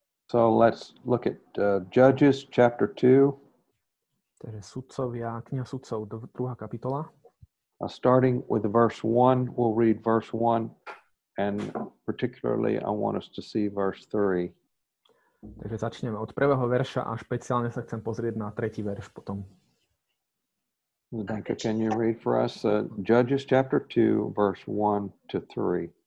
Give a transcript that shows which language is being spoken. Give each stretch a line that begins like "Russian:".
English: So let's look at Judges chapter 2.
Slovak: Teda sudcovia, kniha sudcov, druhá kapitola.
English: Starting with verse 1, we'll read verse 1, and particularly I want us to see verse 3.
Slovak: Takže začneme od prvého verša a špeciálne sa chcem pozrieť na tretí verš potom.
English: Danka, can you read for us Judges chapter 2, verse 1 to 3?